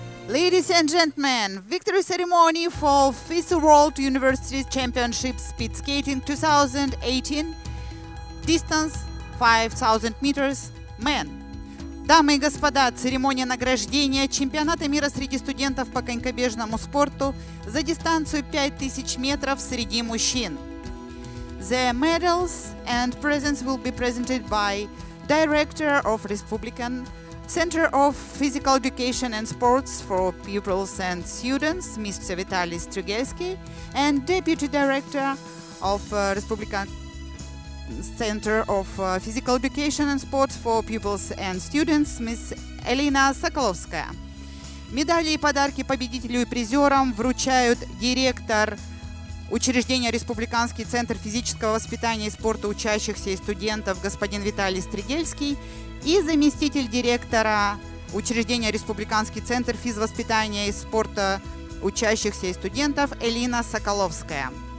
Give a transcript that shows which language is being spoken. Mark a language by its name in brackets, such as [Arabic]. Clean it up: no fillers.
[English] Ladies and gentlemen, victory ceremony for FISU World University Championship Speed Skating 2018, distance 5,000 meters, men. [Russian] Дамы и господа, церемония награждения чемпионата мира среди студентов по конькобежному спорту за дистанцию 5000 метров среди мужчин. [English] The medals and presents will be presented by Director of Republican Center of Physical Education and Sports for Pupils and Students, Mr. Vitaly Strugelsky, and Deputy Director of Republican Center of Physical Education and Sports for Pupils and Students, Ms. Elena Sokolovskaya. [Russian] Медали и подарки победителю и призерам вручают директор учреждения Республиканский Центр физического воспитания и спорта учащихся и студентов господин Виталий Стригельский и заместитель директора учреждения Республиканский центр физвоспитания и спорта учащихся и студентов Элина Соколовская.